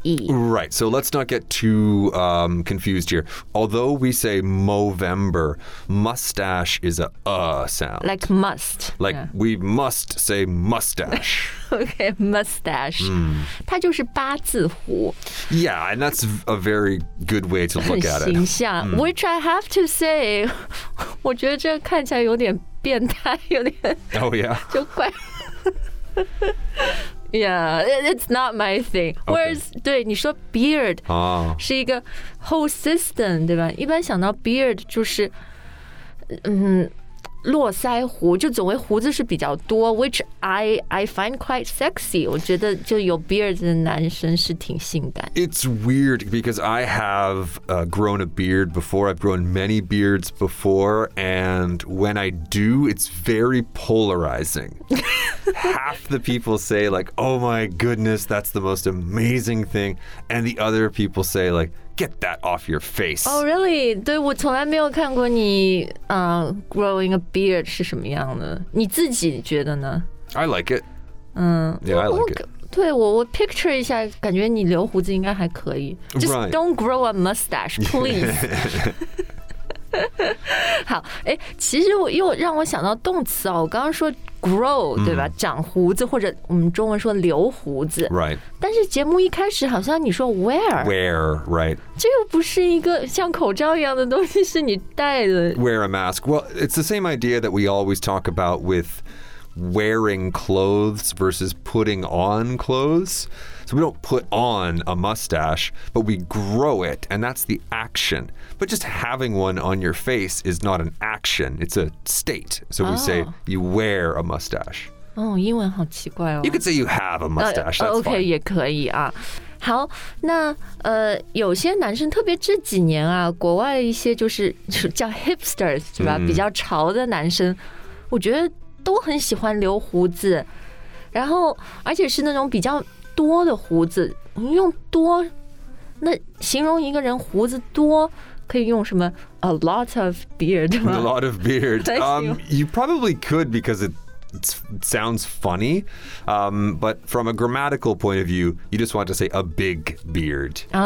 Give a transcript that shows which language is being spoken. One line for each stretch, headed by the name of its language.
English: Right, so let's not get too, confused here. Although we say Movember, mustache is a sound. Like must. Like、yeah. we must say mustache. Okay, mustache.
Chinese: 它就是八字胡。
English: Yeah, and that's a very good way to look at it.
Chinese: 很形象。
English: Which I have to say,
Chinese: 我觉得这看起来有点变态，有点
English: Oh, yeah.
Chinese: 就怪。
English: Yeah, it's not my thing. Whereas,、okay.
Chinese: 对你说 beard、是一个 whole system, 对吧？一般想到 beard 就是，络腮胡，就总为胡子是比较多 ，
English: which I find quite sexy.
Chinese: 我觉得就有 beard 的男生是挺性感。
English: It's weird because I have、grown a beard before. I've grown many beards before, and when I do, it's very polarizing. Half the people say like, "Oh my goodness, that's the most amazing thing," and the other people say like. Get that off your face. Oh, really?
Chinese: 对，我从来没有看过你
English: growing a beard
Chinese: 是什么样的。你自己觉得呢
English: ？I like it. Yeah, I like it.
Chinese: 对我 picture 一下，感觉你留胡子应该还可以。
English: Just、 right. don't grow a mustache, please.
Chinese: 好，哎，其实我又让我想到动词啊。我刚刚说 grow 对吧？长胡子或者我们中文说留胡子
English: ，right？
Chinese: 但是节目一开始好像你说 wear
English: right？
Chinese: 这又不是一个像口罩一样的东西，是你戴的。
English: Wear a mask. Well, it's the same idea that we always talk about with wearing clothes versus putting on clothes. So we don't put on a mustache, but we grow it, and that's the action. But just having one on your face is not an action. It's a state. So we say you wear a mustache.
Chinese: Oh, 英文好奇怪哦。
English: You could say you have a mustache. That's okay, fine.
Chinese: 也可以啊。好，那有些男生特别这几年啊，国外一些就是叫 hipsters, 对吧？比较潮的男生，我觉得都很喜欢留胡子，然后而且是那种比较多的胡子。用多，那形容一个人胡子多。可以用什么
English: a lot of beard
Chinese: 吗？
English: A lot of beard. You probably could because it sounds funny. But from a grammatical point of view, you just want to say a big beard.